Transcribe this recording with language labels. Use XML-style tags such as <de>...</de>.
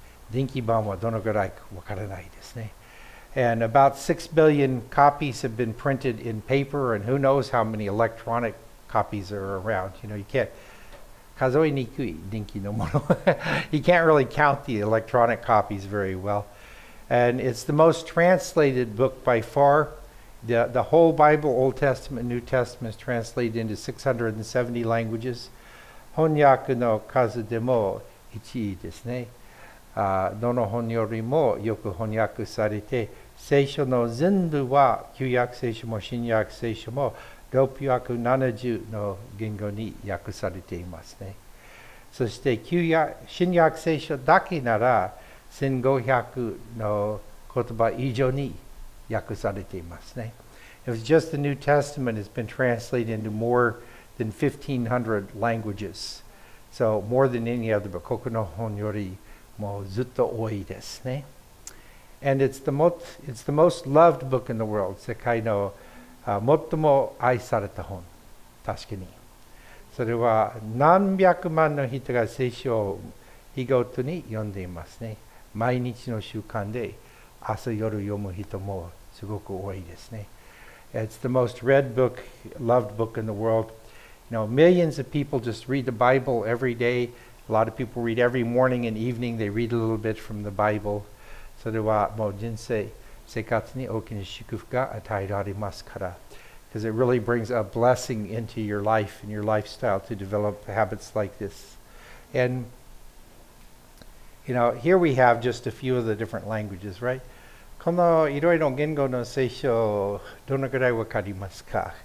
<ja>人気版はどのくらいかわからないですね。</ja> <en>And about 6 billion copies have been printed in paper, and who knows how many electronic copies are around. You know, you can't.</en> <ja>数えにくい人気のもの。</ja> <en>You can't really count the electronic copies very well. And it's the most translated book by far. The whole Bible, Old Testament, New Testament is translated into 670 languages.</en> <ja>翻訳の数でも1位ですね。どの本よりもよく翻訳されて、聖書の全部は旧約聖書も新約聖書も670の言語に訳されていますね。そして新約聖書だけなら1500の言葉以上に訳されていますね。</ja> <en>It was just the New Testament has been translated into more than 1500 languages. So more than any other book.</en> <ja>ここの本よりもずっと多いですね。</ja> <en>And it's the most loved book in the world.</en> <ja>世界の最も愛された本、確かに。それは何百万の人が聖書を日ごとに読んでいますね。毎日の習慣で朝夜読む人もすごく多いですね。</ja> <en>It's the most read book, loved book in the world. You know, millions of people just read the Bible every day. A lot of people read every morning and evening. They read a little bit from the Bible.</en> <ja>それはもう人生。生活に大きな祝福が与えられますから。</ja> <en>Because it really brings a blessing into your life and your lifestyle to develop habits like this. And, you know, here we have just a few of the different languages, right?</en> <ja>このいろいろ言語の聖書、どのぐらいわかりますか？</ja>